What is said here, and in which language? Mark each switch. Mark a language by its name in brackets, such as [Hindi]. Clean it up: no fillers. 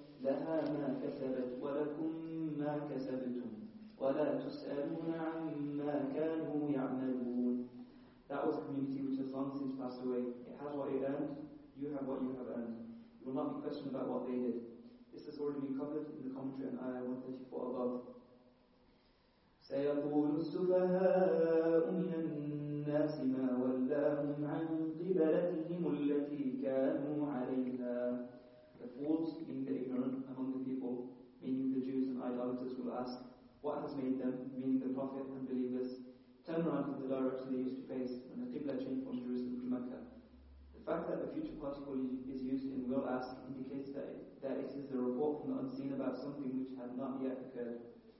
[Arabic] لها ما كسبت ولكم ما كسبتم ولا تسألون عما كانوا يعملون. [English] That was a community which has long since passed away. It has what it earned, you have what you have earned. You will not be questioned about what they did. This has already been covered in the commentary on Ayah 134 above. [Arabic] سيقول السفهاء من الناس ما ولاهم عن قبلتهم التي كانوا عليها. [English] The fools, being the ignorant among the people, meaning the Jews and idolaters, will ask, what has made them, meaning the Prophet and believers, turn around in the direction they used to face when the Qibla changed from Jerusalem to Mecca? The fact that the future particle is used in will ask indicates that it is a report from the unseen about something which had not yet occurred.